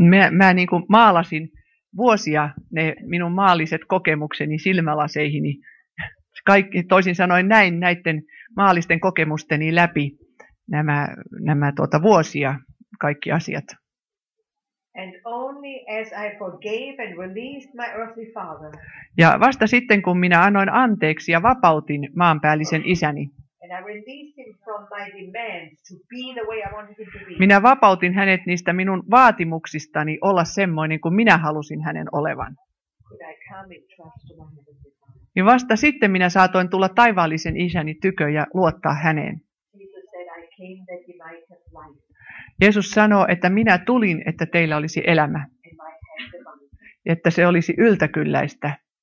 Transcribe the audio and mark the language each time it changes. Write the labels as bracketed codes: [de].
[fi] Mä niin kuin maalasin vuosia ne minun maalliset kokemukseni silmälaseihini. Kaikki, toisin sanoen näin näiden maallisten kokemusteni läpi nämä vuosia. Kaikki asiat. [en] And only as I forgave and released my earthly father. [fi] Ja vasta sitten kun minä annoin anteeksi ja vapautin maanpäällisen isäni. [en] And I released him from my demands to be the way I wanted him to be. [fi] Minä vapautin hänet niistä minun vaatimuksistani olla semmoinen kuin minä halusin hänen olevan. [en] Could I come and trust my heavenly father? [fi] Ja vasta sitten minä saatoin tulla taivaallisen isäni tykö ja luottaa häneen. [en] Jesus said, I came that he might have life. [fi] Jeesus sanoo, että minä tulin, että teillä olisi elämä, että se olisi yltäkylläistä.